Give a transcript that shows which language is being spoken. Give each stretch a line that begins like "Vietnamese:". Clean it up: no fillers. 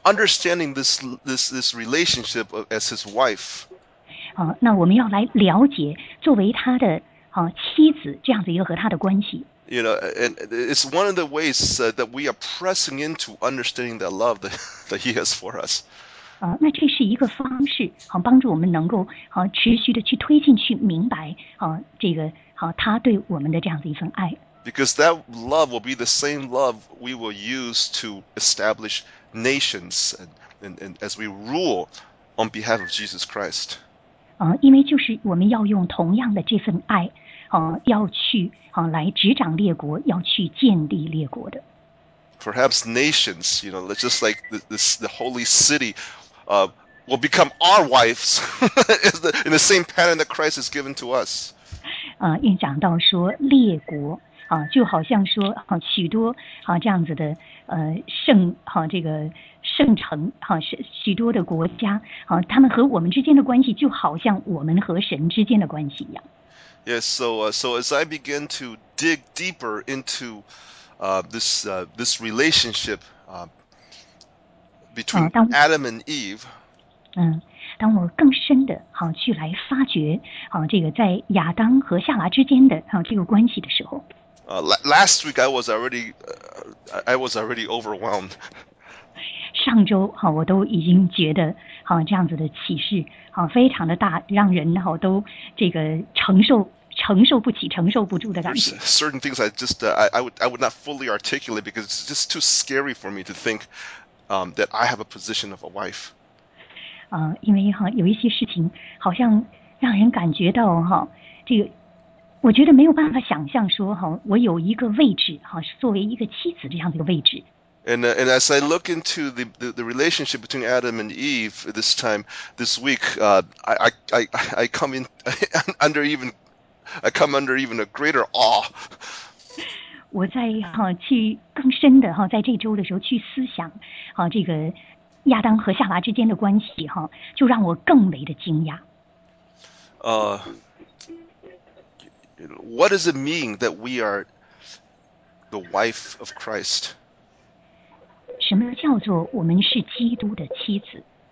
English: You know, understanding this relationship as his wife.
Chinese: 那我们要来了解作为他的妻子这样子一个和他的关系。
English: You know, and it's one of the ways that we are pressing into understanding the love that he has for us.
Chinese: 那这是一个方式，帮助我们能够持续的去推进去明白这个他对我们的这样子一份爱。
English: Because that love will be the same love we will use to establish nations and as we rule on behalf of Jesus Christ.
Chinese: 因为就是我们要用同样的这份爱。要去来执掌列国，要去建立列国的。
English: Perhaps nations, you know, just like the holy city, will become our wives in the same pattern that Christ has given to us.
Chinese: 因为讲到说列国就好像说许多这样子的圣这个圣城许多的国家他们和我们之间的关系就好像我们和神之间的关系一样。
English: Yes, so as I begin to dig deeper into this relationship between Adam and Eve.
Chinese: 当我更深的去来发掘这个在亚当和夏娃之间的这个关系的时候。
English: Last week I was already overwhelmed.
Chinese: 上周我都已经觉得这样子的启示非常的大，让人都这个承受不起，承受不住的感觉。
English: There's certain things I would not fully articulate because it's just too scary for me to think that I have a position of a wife.
Chinese: 因为有一些事情好像让人感觉到这个我觉得没有办法想象说我有一个位置作为一个妻子这样的一个位置。
English: And as I look into the relationship between Adam and Eve this time, this week, I come under even a greater awe.
Chinese: 我在去更深的在这周的时候去思想这个亚当和夏娃之间的关系就让我更为的惊讶。
English: What does it mean that we are the wife of Christ?
Chinese: 什么叫做我们是基督的妻子？